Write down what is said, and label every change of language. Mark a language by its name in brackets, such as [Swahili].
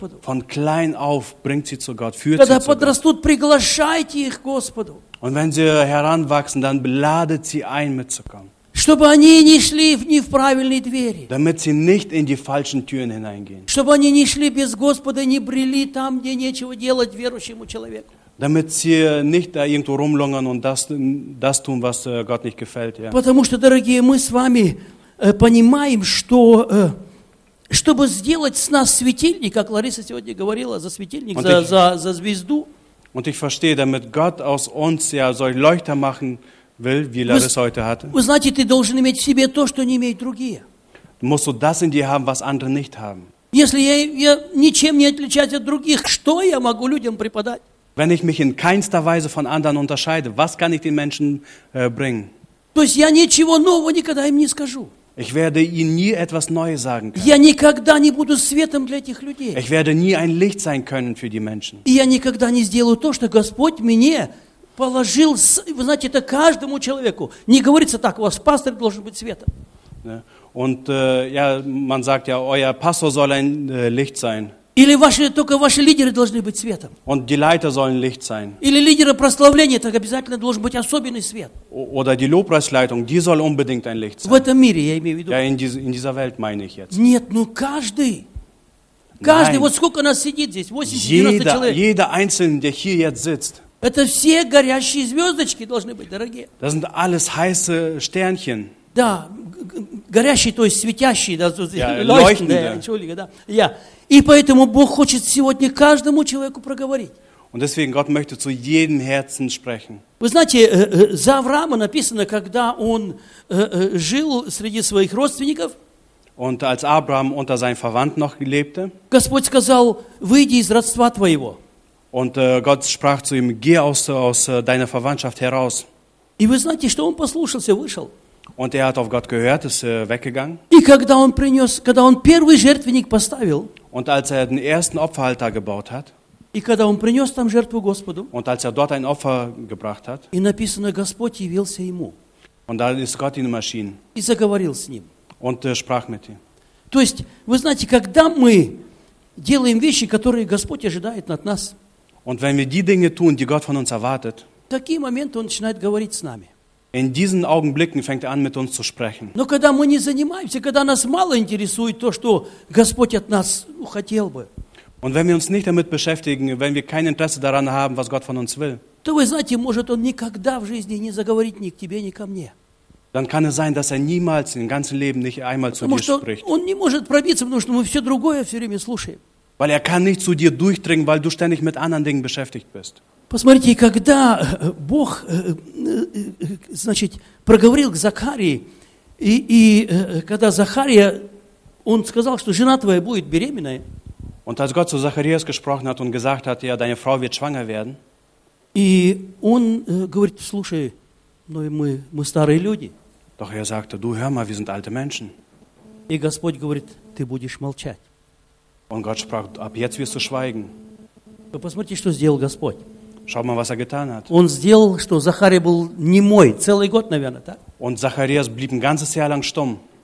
[German] Von klein auf bringt sie zu Gott, führt sie zu Gott. [Russian] Когда подрастут, приглашайте их Господу. [German] Und wenn sie heranwachsen, dann ladet sie ein, mitzukommen. [Russian] Чтобы они не шли не в правильные двери. [German] Damit sie nicht in die falschen Türen hineingehen. [Russian] Чтобы они не шли без Господа, не брели там, где нечего делать верующему человеку. [German] Damit sie nicht da irgendwo rumlungern und das tun, was Gott nicht gefällt. Ja. [Russian] Потому что, дорогие, мы с вами понимаем, что чтобы сделать с нас светильник, как Лариса сегодня говорила, за светильник, за звезду. [German] Und ich verstehe, damit Gott aus uns ja solche Leuchter machen will, wie Larissa heute hatte. Und [Russian] знаете, ты должен иметь в себе то, что не имеют другие. [German] Musst du das in dir haben, was andere nicht haben. [Russian] Если я ничем не отличаюсь от других, что я могу людям преподать? [German] Wenn ich mich in keinster Weise von anderen unterscheide, was kann ich den Menschen bringen? [Russian] То есть я ничего нового никогда им не скажу. [German] Ich werde ihnen nie etwas Neues sagen können. [Russian] Я никогда не буду светом для этих людей. [German] Ich werde nie ein Licht sein können für die Menschen. [Russian] И я никогда не сделаю то, что Господь мне положил, вы знаете, это каждому человеку. Не говорится так, у вас пастор должен быть светом. [German] Und ja, man sagt ja, euer Pastor soll ein Licht sein. [Russian] Или ваши, только ваши лидеры должны быть светом. [German] Und die Leiter sollen Licht sein. [Russian] Или лидеры прославления, так обязательно должен быть особенный свет. [German] Oder die Lobpreisleitung, die soll unbedingt ein Licht sein. [Russian] В этом мире, я имею в виду. [German] Ja, in dieser Welt meine ich jetzt. [Russian] Нет, ну каждый. Каждый, [German] Nein. [Russian] Вот сколько нас сидит здесь, 80-90 человек. [German] Jeder Einzelne, der hier jetzt sitzt. [Russian] Это все горящие звездочки должны быть, дорогие. [German] Das sind alles heiße Sternchen. [Russian] Да, горящие, то есть светящие, да, [German] leuchtende. [Russian] Да, [German] entschuldige, [Russian] да. [German] Ja. [Russian] И поэтому Бог хочет сегодня каждому человеку проговорить. [German] Und deswegen, Gott möchte zu jedem Herzen sprechen. [Russian] Вы знаете, за Авраама написано, когда он жил среди своих родственников, [German] Und als Abraham unter seinen Verwandten noch lebte, [Russian] Господь сказал, выйди из родства твоего. [German] Und Gott sprach zu ihm, geh aus deiner Verwandtschaft heraus. [Russian] И вы знаете, что он послушался, вышел. [German] Und hat auf Gott gehört, ist weggegangen. [Russian] И когда он принес, когда он первый жертвенник поставил, [German] Und als den ersten Opferaltar gebaut hat, [Russian] и когда он принес там жертву Господу, [German] Und als dort ein Opfer gebracht hat, [Russian] и написано, Господь явился ему, [German] Und dann ist Gott ihm erschienen, [Russian] и заговорил с ним. [German] Und sprach mit ihm. [Russian] То есть, вы знаете, когда мы делаем вещи, которые Господь ожидает от нас, [German] Und wenn wir die Dinge tun, die Gott von uns erwartet, [Russian] в такие моменты он начинает говорить с нами. [German] In diesen Augenblicken fängt an, mit uns zu sprechen. [Russian] Но когда мы не занимаемся, когда нас мало интересует то, что Господь от нас хотел бы. [German] Und wenn wir uns nicht damit beschäftigen, wenn wir kein Interesse daran haben, was Gott von uns will. [Russian] То вы знаете, может он никогда в жизни не заговорит ни к тебе, ни ко мне. [German] Dann kann es sein, dass niemals im ganzen Leben nicht einmal zu [Russian] потому [German] dir spricht. [Russian] Он не может пробиться, потому что мы все другое все время слушаем. [German] Weil kann nicht zu dir durchdringen, weil du ständig mit anderen Dingen beschäftigt bist. [Russian] Посмотрите, когда Бог, значит, проговорил к Захарии, и когда Захария, он сказал, что жена твоя будет беременная. [German] Und als Gott zu Zacharias gesprochen hat und gesagt hat, ja, deine Frau wird schwanger werden. [Russian] И он говорит, слушай, ну мы старые люди. [German] Doch sagte, du hör mal, wir sind alte Menschen. [Russian] И Господь говорит, ты будешь молчать. [German] Und Gott sprach, ab jetzt wirst du schweigen. [Russian] Вы посмотрите, что сделал Господь. [German] Schau mal, was getan hat. [Russian] Он сделал, что Захария был немой целый год, наверное, так? [German] Und Zacharias blieb ein ganzes Jahr lang stumm.